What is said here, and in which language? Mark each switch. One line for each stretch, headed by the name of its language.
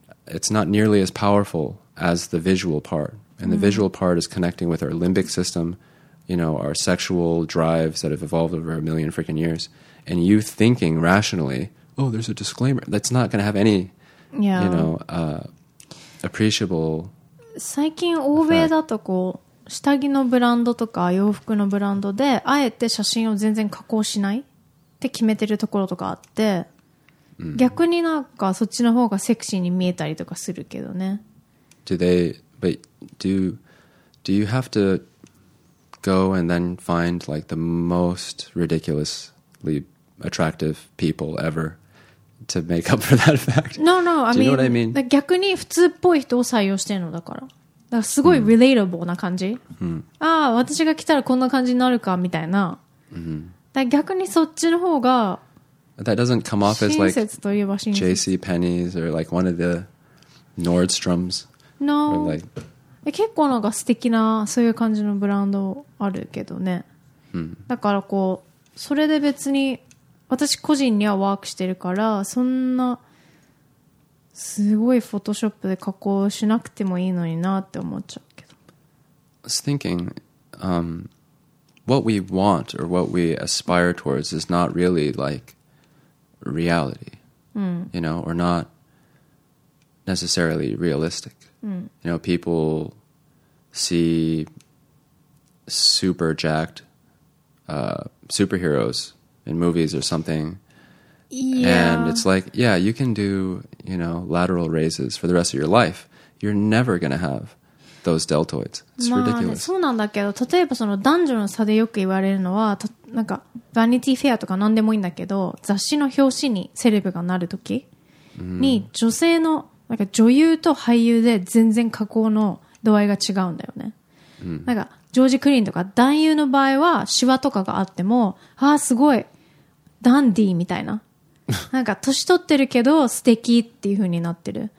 English: It's not nearly as powerful as the visual part. And the visual part is connecting with our limbic system, you know, our sexual drives that have evolved over a million freaking years. And you thinking rationally, oh, there's a disclaimer. That's not going to have any, you know, appreciable.
Japanese: 最近欧米だとこう下着のブランドとか洋服のブランドであえて写真を全然加工しないって決めてるところとかあって、逆になんかそっちの方がセクシーに見えたりとかするけどね。
English: Do you have to go and then find like the most ridiculous? Attractive people ever to make up for that fact. No, no. I mean, you know what I mean?
Japanese: 逆に普通っぽい人を採用してるのだから。だからすごい relatable な感じ。 Mm-hmm. ああ、私が来たらこんな感じになるかみたいな。 Mm-hmm. だから逆にそっちの方が。
English: That doesn't come off as like
Japanese: 親切といえば親切。
English: JCPenney's or like one of the Nordstrom's. No.
Japanese: え、結構なんか素敵なそういう感じのブランドあるけどね。 Mm-hmm. だからこう。それで別に私個人にはワークしてるから、そんなすごいフォトショップで加工しなくてもいいのになって思っちゃうけど。
English: I was thinking、what we want or what we aspire towards is not really like reality、you know, or not necessarily realistic、you know, people see super jacked、superheroes in movies or something、and it's like, yeah, you can do, you know, lateral raises for the rest of your life. You're never gonna have those deltoids. It's、
Japanese: まあ、
English: ridiculous.
Japanese: そうなんだけど、例えばその男女の差でよく言われるのは、なんかバニティフェアとか何でもいいんだけど、雑誌の表紙にセレブがなるときに、女性のなんか女優と俳優で全然加工の度合いが違うんだよね、なんかジョージ・クリーンとか男優の場合はシワとかがあっても、ああすごいダンディーみたいな、なんか年取ってるけど素敵っていう風になってる。